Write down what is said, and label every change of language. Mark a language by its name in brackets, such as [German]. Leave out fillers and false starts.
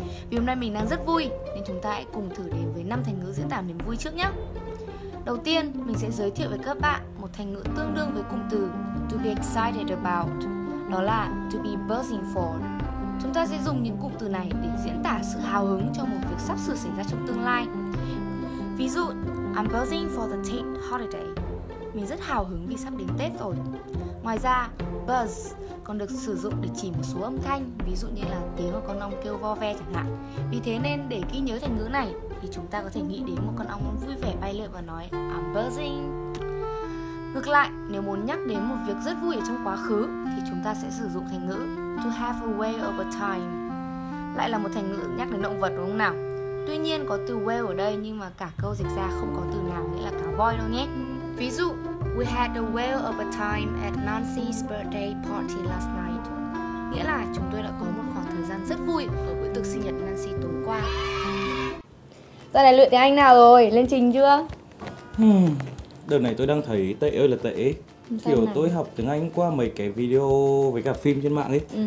[Vietnamese] Vì hôm nay mình đang rất vui, nên chúng ta hãy cùng thử đến với 5 thành ngữ diễn tả niềm vui trước nhé! Đầu tiên, mình sẽ giới thiệu với các bạn một thành ngữ tương đương với cụm từ [English] to be excited about, [Vietnamese] đó là [English] to be buzzing for. [Vietnamese] Chúng ta sẽ dùng những cụm từ này để diễn tả sự hào hứng cho một việc sắp sửa xảy ra trong tương lai. Ví dụ, [English] I'm buzzing for the Tết holiday. [Vietnamese] Mình rất hào hứng vì sắp đến Tết rồi. Ngoài ra, buzz còn được sử dụng để chỉ một số âm thanh, ví dụ như là tiếng con ong kêu vo ve chẳng hạn. Vì thế nên để ghi nhớ thành ngữ này thì chúng ta có thể nghĩ đến một con ong vui vẻ bay lượn và nói [English] I'm buzzing. [Vietnamese] Ngược lại, nếu muốn nhắc đến một việc rất vui ở trong quá khứ thì chúng ta sẽ sử dụng thành ngữ [English] to have a whale of a time. [Vietnamese] Lại là một thành ngữ nhắc đến động vật đúng không nào? Tuy nhiên có từ whale ở đây nhưng mà cả câu dịch ra không có từ nào nghĩa là cá voi đâu nhé. Ví dụ, [English] we had a whale of a time at Nancy's birthday party last night. [Vietnamese] Nghĩa là chúng tôi đã có một khoảng thời gian rất vui ở buổi tiệc sinh nhật Nancy tối qua. Giờ này luyện tiếng Anh nào rồi? Lên trình chưa? Đợt này tôi đang thấy tệ ơi là tệ. Kiểu tôi học tiếng Anh qua mấy cái video với cả phim trên mạng ấy.